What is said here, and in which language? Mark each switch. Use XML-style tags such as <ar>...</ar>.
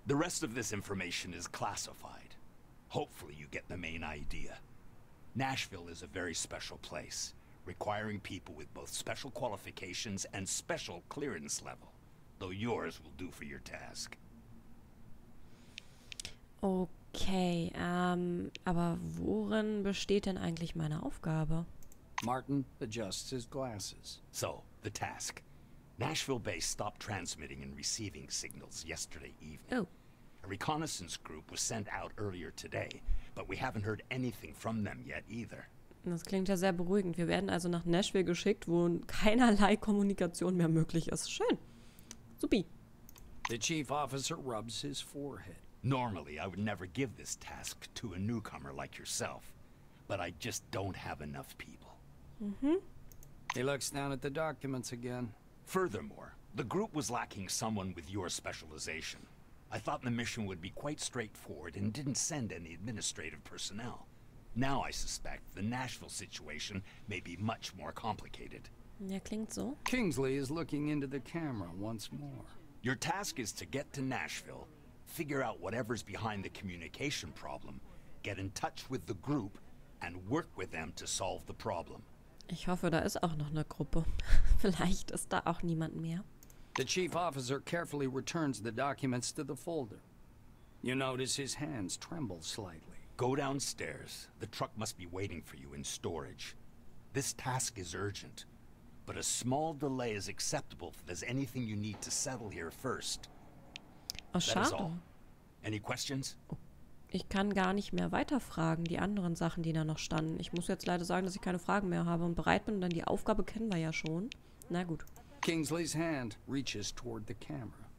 <en>The rest of this information is classified. Hopefully you get the main idea. Nashville is a very special place, requiring people with both special qualifications and special clearance level, though yours will do for your task.</en> <de>Okay, aber worin besteht denn eigentlich meine Aufgabe?</de> <en>Martin adjusts his glasses. So, the task. Nashville Base stopped transmitting and receiving signals yesterday evening. Oh. A reconnaissance group was sent out earlier today, but we haven't heard anything from them yet either.</en> <de>Das klingt ja sehr beruhigend. Wir werden also nach Nashville geschickt, wo keinerlei Kommunikation mehr möglich ist. Schön. Supi.</de> <en>The chief officer rubs his forehead. Normally, I would never give this task to a newcomer like yourself, but I just don't have enough people. Mm-hmm. He looks down at the documents again. Furthermore, the group was lacking someone with your specialization. I thought the mission would be quite straightforward and didn't send any administrative personnel. Now I suspect the Nashville situation may be much more complicated.</en> <de>Ja, klingt so.</de> <en>Kingsley is looking into the camera once more. Your task is to get to Nashville, figure out whatever's behind the communication problem, get in touch with the group, and work with them to solve the problem.</en> <de>Ich hoffe, da ist auch noch eine Gruppe. Vielleicht ist da auch niemand mehr.</de> <en>The chief officer carefully returns the documents to the folder. You notice his hands tremble slightly. Go downstairs. The truck must be waiting for you in storage. This task is urgent, but a small delay is acceptable if there's anything you need to settle here first.</en> <de>Oh, schade.</de> <en>That is all. Any questions?</en> <de>Ich kann gar nicht mehr weiterfragen, die anderen Sachen, die da noch standen. Ich muss jetzt leider sagen, dass ich keine Fragen mehr habe und bereit bin, denn die Aufgabe kennen wir ja schon. Na gut.</de> <en>Kingsley's hand reaches toward the camera.</en>